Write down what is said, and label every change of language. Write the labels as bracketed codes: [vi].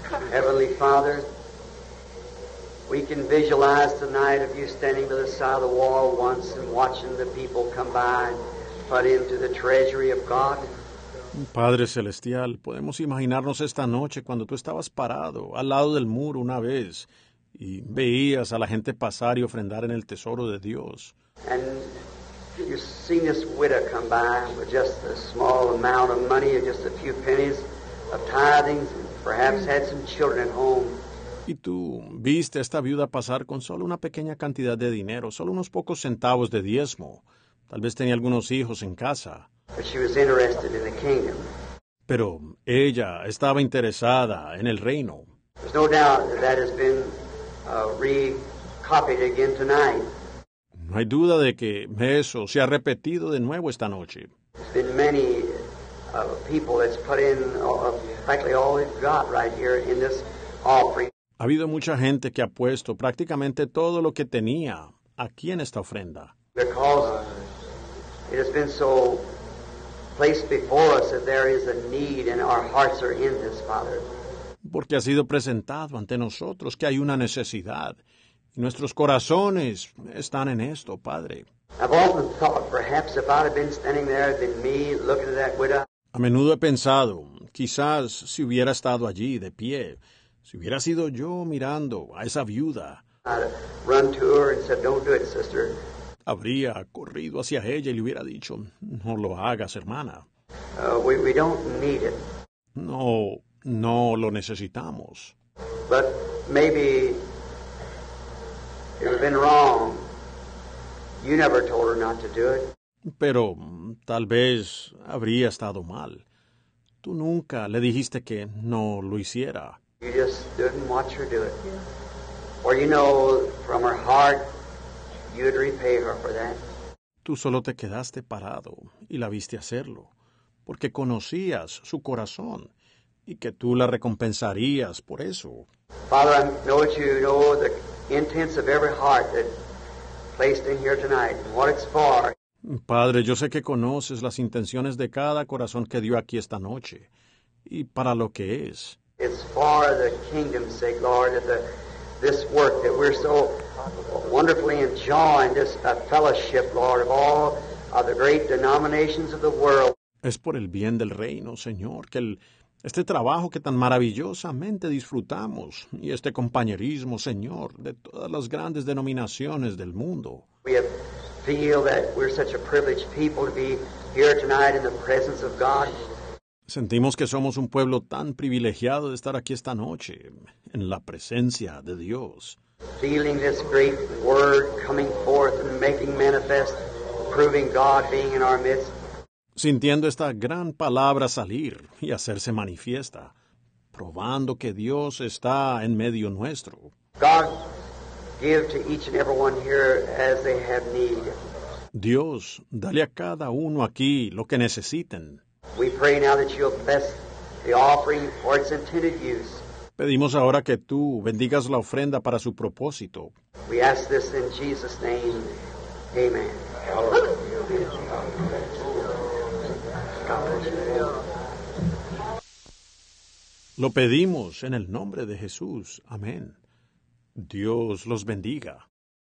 [en] Heavenly Father, we can visualize tonight of you standing by the side of the wall once and watching the people come by and put into the treasury of God. [es] Padre Celestial, podemos imaginarnos esta noche cuando tú estabas parado al lado del muro una vez y veías a la gente pasar y ofrendar en el tesoro de Dios. [en] And you've seen this widow come by with just a small amount of money, or just a few pennies of tithings, and perhaps had some children at home. [es] Y tú viste a esta viuda pasar con solo una pequeña cantidad de dinero, solo unos pocos centavos de diezmo. Tal vez tenía algunos hijos en casa. [en] But she was interested in the kingdom. [es] Pero ella estaba interesada en el reino. [en] There's no doubt that that has been recopied again tonight. [es] No hay duda de que eso se ha repetido de nuevo esta noche. [en] There's been many people that's put in practically all they've got right here in this offering. [es] Ha habido mucha gente que ha puesto prácticamente todo lo que tenía aquí en esta ofrenda. [en] Because it has been so placed before us that there is a need and our hearts are in this, Father. [es] Porque ha sido presentado ante nosotros que hay una necesidad. Nuestros corazones están en esto, Padre. [en] I've often thought, perhaps if I'd have been standing there, it'd been me looking at that widow. [es] A menudo he pensado, quizás si hubiera estado allí de pie, si hubiera sido yo mirando a esa viuda, [en] run to her and said, "Don't do it, sister." [es] Habría corrido hacia ella y le hubiera dicho, "No lo hagas, hermana." [en] We don't need it. [es] No, no lo necesitamos. [en] But maybe it would have been wrong. You never told her not to do it. [es] Pero tal vez habría estado mal. Tú nunca le dijiste que no lo hiciera. [en] You just didn't watch her do it. Yeah. Or you know, from her heart, you'd repay her for that. [es] Tú solo te quedaste parado y la viste hacerlo, porque conocías su corazón y que tú la recompensarías por eso. [en] Father, I know that you know the intents of every heart that placed in here tonight and what it's for. [es] Padre, yo sé que conoces las intenciones de cada corazón que dio aquí esta noche y para lo que es. [en] It's for the kingdom's sake, Lord, that this work that we're so wonderfully enjoying, this fellowship, Lord, of all of the great denominations of the world. [es] Es por el bien del reino, Señor, que este trabajo que tan maravillosamente disfrutamos y este compañerismo, Señor, de todas las grandes denominaciones del mundo. [en] Feel that we're such a privileged people to be here tonight in the presence of God. [es] Sentimos que somos un pueblo tan privilegiado de estar aquí esta noche en la presencia de Dios. [en] Feeling this great word coming forth and making manifest, proving God being in our midst. [es] Sintiendo esta gran palabra salir y hacerse manifiesta, probando que Dios está en medio nuestro. [en] God give to each and every one here as they have need. [es] Dios, dale a cada uno aquí lo que necesiten. [en] We pray now that you'll bless the offering for its intended use. [es] Pedimos ahora que tú bendigas la ofrenda para su propósito. [en] We ask this in Jesus' name. Amen. [es] Lo pedimos en el nombre de Jesús. Amén. Dios los bendiga.